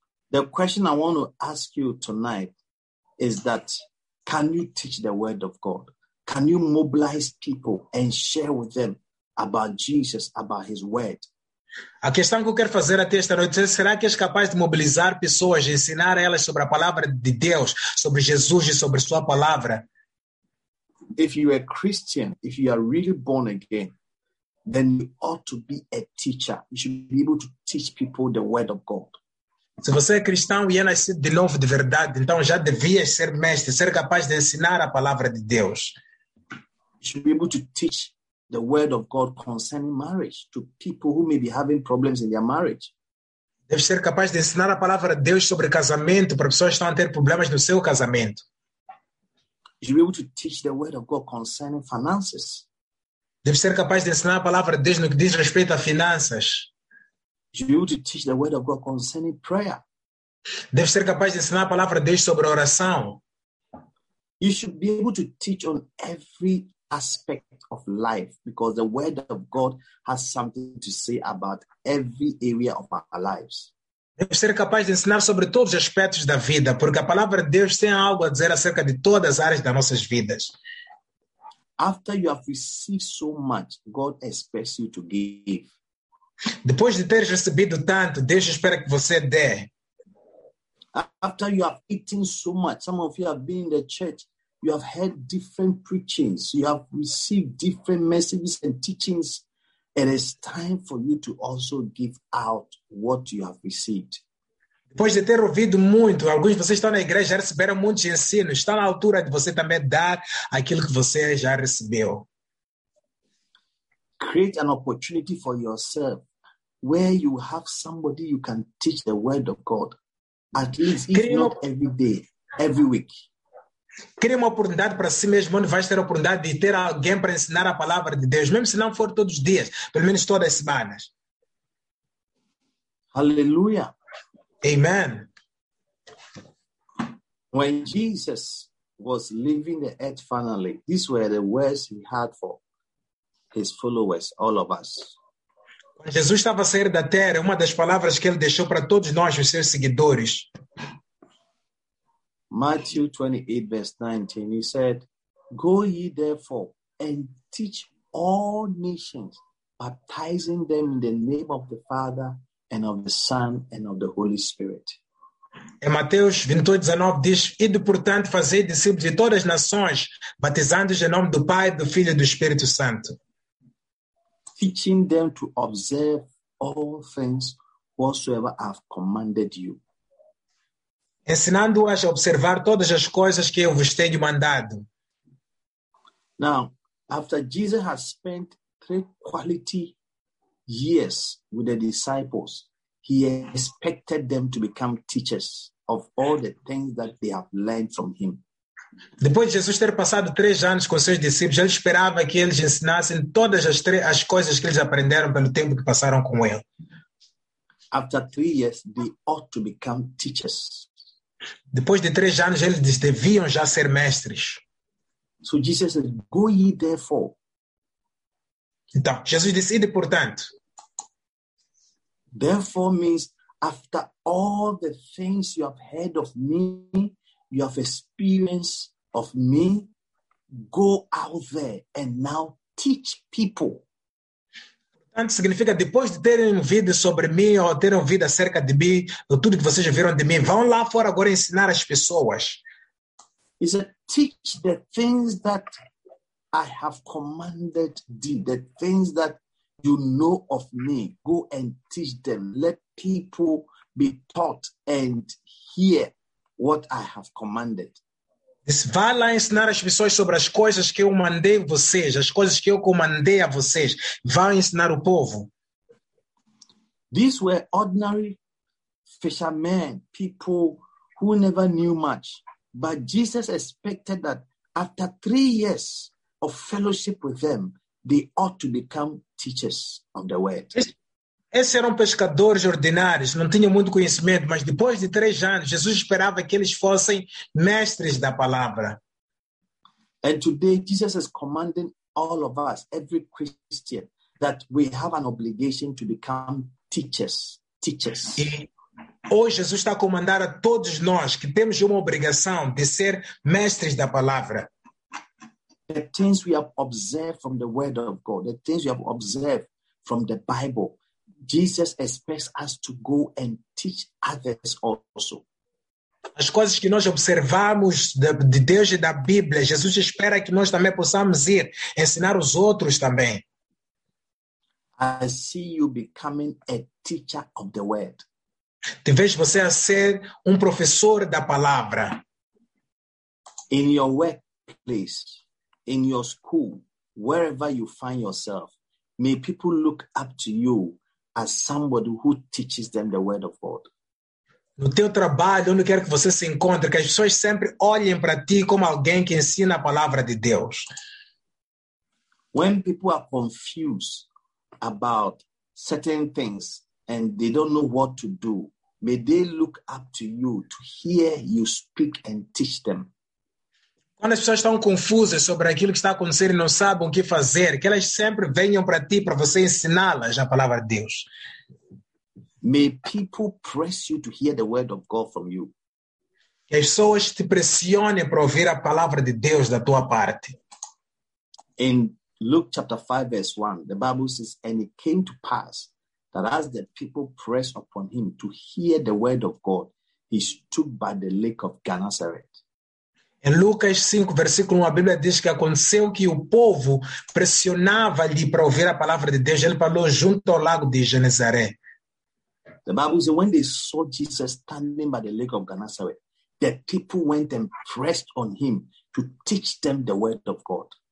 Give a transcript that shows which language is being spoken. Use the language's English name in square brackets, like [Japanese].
[English] The question I want to ask you tonight is that, can you teach the word of God? Can you mobilize people and share with them about Jesus, about his word? [Portuguese] A questão que eu quero fazer até esta noite é, será que és capaz de mobilizar pessoas, de ensinar elas sobre a palavra de Deus, sobre Jesus e sobre sua palavra? [English] If you are a Christian, if you are really born again, then you ought to be a teacher. You should be able to teach people the word of God. [Portuguese] Se você é cristão e é nascido de novo de verdade, então já devia ser mestre, ser capaz de ensinar a palavra de Deus. [English] You should be able to teach the word of God concerning marriage to people who may be having problems in their marriage. [Portuguese] Deve ser capaz de ensinar a palavra de Deus sobre casamento para pessoas que estão a ter problemas no seu casamento. [English] You should be able to teach the word of God concerning finances. [Portuguese] Deve ser capaz de ensinar a palavra de Deus no que diz respeito a finanças. [English] You should be able to teach the word of God concerning prayer. [Portuguese] Deve ser capaz de ensinar a palavra de Deus sobre oração. [English] You should be able to teach on every aspect of life because the word of God has something to say about every area of our lives. [Portuguese] Deve ser capaz de ensinar sobre todos os aspectos da vida, porque a palavra de Deus tem algo a dizer acerca de todas as áreas das nossas vidas. [English] After you have received so much, God expects you to give. [Portuguese] Depois de ter recebido tanto, Deus espera que você dê. [English] After you have eaten so much, some of you have been in the church, you have heard different preachings, you have received different messages and teachings. It is time for you to also give out what you have received. [Portuguese] Depois de ter ouvido muito, alguns de vocês estão na igreja, já receberam muitos ensinos. Está na altura de você também dar aquilo que você já recebeu. [English] Create an opportunity for yourself where you have somebody you can teach the word of God. At least, if not every day, every week. [Portuguese] Crie uma oportunidade para si mesmo, onde vais ter a oportunidade de ter alguém para ensinar a palavra de Deus, mesmo se não for todos os dias, pelo menos todas as semanas. Aleluia. [English] Amen. When Jesus was leaving the earth finally, these were the words he had for his followers, all of us. [Portuguese] Quando Jesus estava a sair da terra, uma das palavras que ele deixou para todos nós, os seus seguidores. [English] Matthew 28, verse 19, he said, go ye therefore and teach all nations, baptizing them in the name of the Father and of the Son and of the Holy Spirit. [Portuguese] Em Mateus 28, 19, diz, ide, portanto, fazei discípulos de todas as nações, batizando-os em nome do Pai, do Filho e do Espírito Santo. [English] Teaching them to observe all things whatsoever I have commanded you. [Portuguese] Ensinando-as a observar todas as coisas que eu vos tenho mandado. [English] Now, after Jesus has spent 3 quality years with the disciples, he expected them to become teachers of all the things that they have learned from him. [Portuguese] Depois de Jesus ter passado 3 anos com seus discípulos, ele esperava que eles ensinassem todas as coisas que eles aprenderam pelo tempo que passaram com ele. [English] After 3 years, they ought to become teachers. [Portuguese] Depois de 3 anos, eles deviam já ser mestres. [English] So Jesus said, go ye therefore. [Portuguese] Então, Jesus disse, ide, portanto. [English] Therefore means, after all the things you have heard of me, you have experience of me, go out there and now teach people. [Portuguese] Portanto, significa depois de terem ouvido sobre mim ou terem ouvido acerca de mim, de tudo que vocês ouviram de mim, vão lá fora agora ensinar as pessoas. [English] He said, teach the things that I have commanded thee, the things that you know of me. Go and teach them. Let people be taught and hear what I have commanded. [Portuguese] Vai lá ensinar as pessoas sobre as coisas que eu mandei vocês, as coisas que eu comandei a vocês. Vai ensinar o povo. [English] These were ordinary fishermen, people who never knew much. But Jesus expected that after 3 years of fellowship with them, they ought to become teachers of the word. [Portuguese] Esses eram pescadores ordinários, não tinham muito conhecimento, mas depois de 3 anos, Jesus esperava que eles fossem mestres da palavra. [English] And today, Jesus is commanding all of us, every Christian, that we have an obligation to become teachers. [Portuguese] E hoje Jesus está a comandar a todos nós que temos uma obrigação de ser mestres da palavra. [English] The things we have observed from the word of God, the things we have observed from the Bible, Jesus expects us to go and teach others also. [Portuguese] As coisas que nós observamos de Deus e da Bíblia, Jesus espera que nós também possamos ir ensinar os outros também. [English] I see you becoming a teacher of the word. [Portuguese] Te vejo você a ser professor da palavra. [English] In your workplace, in your school, wherever you find yourself, may people look up to you as somebody who teaches them the word of God. [Portuguese] No teu trabalho, onde quer que você se encontre, que as pessoas sempre olhem para ti como alguém que ensina a palavra de Deus. [English] When people are confused about certain things and they don't know what to do, may they look up to you to hear you speak and teach them. [Portuguese] Quando as pessoas estão confusas sobre aquilo que está acontecendo e não sabem o que fazer, que elas sempre venham para ti para você ensiná-las a palavra de Deus. [English] May people press you to hear the word of God from you. [Portuguese] Que as pessoas te pressionem para ouvir a palavra de Deus da tua parte. [English] In Luke chapter 5 verse 1, the Bible says, and it came to pass that as the people pressed upon him to hear the word of God, he stood by the lake of Gennesaret. [Portuguese] Em Lucas 5, versículo 1, a Bíblia diz que aconteceu que o povo pressionava-lhe para ouvir a palavra de Deus. Ele falou junto ao lago de Genezaré. [English] The Bible says, when they saw Jesus standing by the lake of Gennesaret, the people went and pressed on him to teach them the word of God.